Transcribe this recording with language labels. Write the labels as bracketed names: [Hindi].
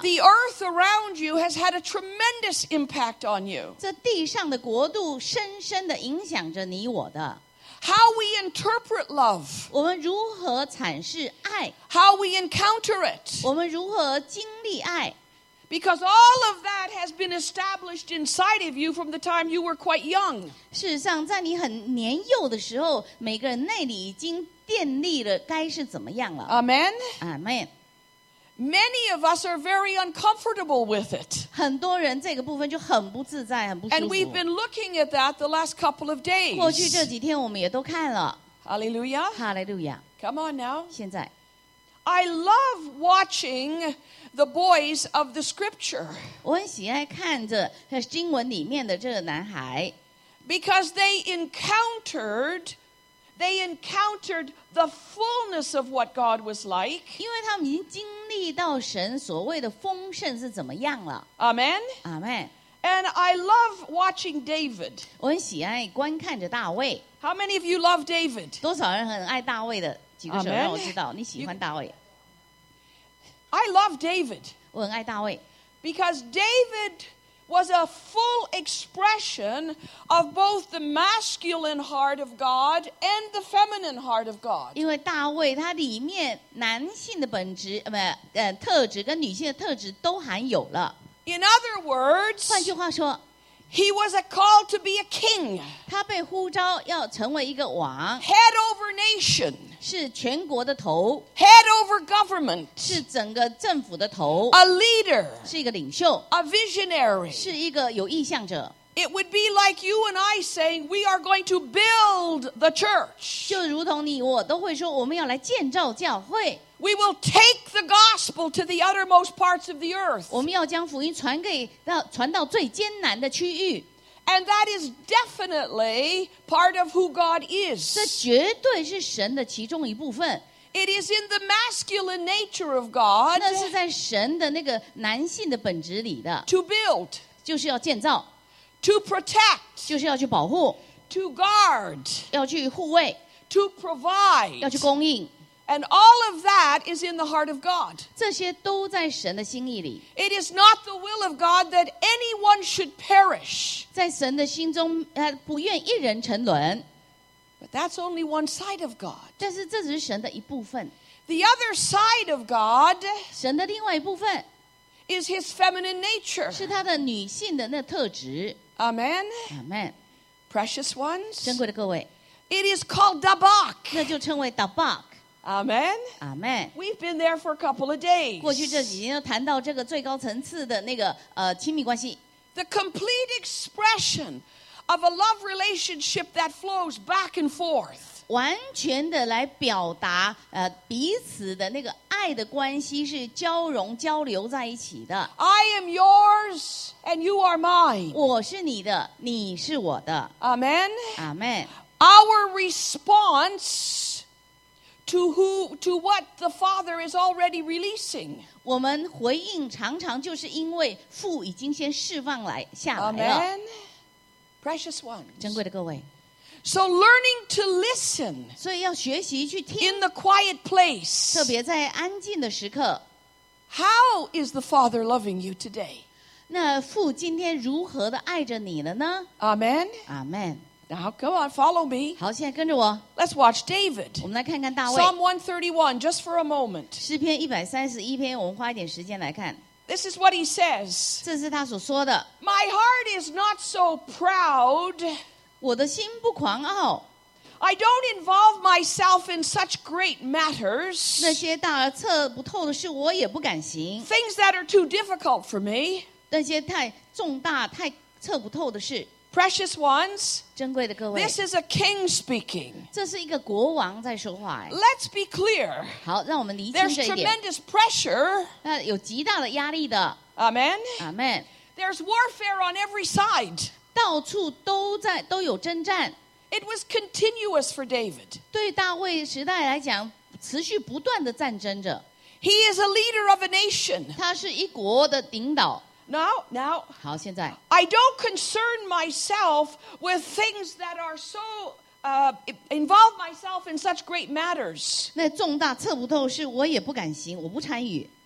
[English] the earth around you has had a tremendous impact on you. [Chinese] 这地上的国度深深地影响着你我的 [English] How we interpret love. [Chinese] 我们如何阐释爱 [English] How we encounter it. [Chinese] 我们如何经历爱 [English] Because all of that has been established inside of you from the time you were quite young. [Chinese] 事实上，在你很年幼的时候，每个人内里已经建立了该是怎么样了。 [English] Amen. Amen. Many of us are very uncomfortable with it. [Chinese] 很多人这个部分就很不自在，很不舒服。 [English] And we've been looking at that the last couple of days. [Chinese] 过去这几天我们也都看了。 [English] Hallelujah. Hallelujah. Come on now. [Chinese] 现在。 [English] I love watching the boys of the scripture. [Chinese] 我很喜爱看着经文里面的这个男孩。 [English] Because they encountered the fullness of what God was like. [Chinese] 因为他们已经经历到神所谓的丰盛是怎么样了。 [English] Amen. Amen. And I love watching David. [Chinese] 我很喜爱观看着大卫。 [English] How many of you love David? [Chinese] 多少人很爱大卫的？举个手让我知道你喜欢大卫。 [English] I love David. [Chinese] 我很爱大卫。 [English] Because David. Was a full expression of both the masculine heart of God and the feminine heart of God. [Chinese] 因为大卫他里面男性的本质特质跟女性的特质都含有了。 [English] In other words, [Chinese] 换句话说 [English] he was a call to be a king. [Chinese] 他被呼召要成为一个王。 [English] Head over nation. [Chinese] 是全国的头。 [English] Head over government. [Chinese] 是整个政府的头。 [English] A leader. [Chinese] 是一个领袖。 [English] A visionary. [Chinese] 是一个有意向者。 [English] It would be like you and I saying, we are going to build the church. [Chinese] 就如同你我都会说我们要来建造教会。 [English] We will take the gospel to the uttermost parts of the earth. [Chinese] 我们要将福音传到最艰难的区域。 [English] And that is definitely part of who God is. [Chinese] 这绝对是神的其中一部分。 [English] It is in the masculine nature of God. [Chinese] 那是在神的那个男性的本质里的。 [English] To build. [Chinese] 就是要建造。 [English] To protect. [Chinese] 就是要去保护。 [English] To guard. [Chinese] 要去护卫。 [English] To provide. [Chinese] 要去供应。 [English] And all of that is in the heart of God. [Chinese] 这些都在神的心意里。 [English] It is not the will of God that anyone should perish. [Chinese] 在神的心中，他不愿一人沉沦。 [English] But that's only one side of God. [Chinese] 但是这只是神的一部分。 [English] The other side of God. [Chinese] 神的另外一部分。 [English] Is his feminine nature. [Chinese] 是他的女性的那特质。 [English] Amen. Amen. Precious ones. [Chinese] 珍贵的各位。 [English] It is called Dabak. [Chinese] 那就称为 Dabak. [English] Amen. Amen. We've been there for a couple of days. [Chinese] 过去这几天又谈到这个最高层次的那个亲密关系。 [English] The complete expression of a love relationship that flows back and forth. [Chinese] 完全的来表达彼此的那个爱的关系是交融交流在一起的。 [English] I am yours and you are mine. [Chinese] 我是你的，你是我的。 [English] Amen. Amen. Our response. To what the Father is already releasing. [Chinese] 我们回应常常就是因为父已经先释放来下来了。 [English] Amen. Precious ones. [Chinese] 珍贵的各位。 [English] So learning to listen. [Chinese] 所以要学习去听。 [English] In the quiet place. [Chinese] 特别在安静的时刻。 [English] How is the Father loving you today? [Chinese] 那父今天如何的爱着你了呢？ [English] Amen. Amen. Now, come on, follow me. [Chinese] 好，现在跟着我。 [English] Let's watch David. [Chinese] 我们来看看大卫。 [English] Psalm 131, just for a moment. [Chinese] 诗篇131篇，我们花一点时间来看。 [English] This is what he says. [Chinese] 这是他所说的。 [English] My heart is not so proud. [Chinese] 我的心不狂傲。 [English] I don't involve myself in such great matters. [Chinese] 那些大而测不透的事，我也不敢行。 [English] Things that are too difficult for me. [Chinese] 那些太重大、太测不透的事。 [English] Precious ones, [Chinese] 珍贵的各位, [English] this is a king speaking. [Chinese] 这是一个国王在说话。 [English] Let's be clear. [Chinese] 好，让我们厘清这一点。 [English] There's tremendous pressure. [Chinese] 那有极大的压力的。 [English] Amen. Amen. There's warfare on every side. [Chinese] 到处都有征战。 [English] It was continuous for David. [Chinese] 对大卫时代来讲，持续不断的战争着。 [English] He is a leader of a nation. [Chinese] 他是一国的领导。 [English] Now, [Chinese] 好，现在。 [English] I don't concern myself with things that are so, involve myself in such great matters. [Chinese] 那重大测不透事，我也不敢行，我不参与。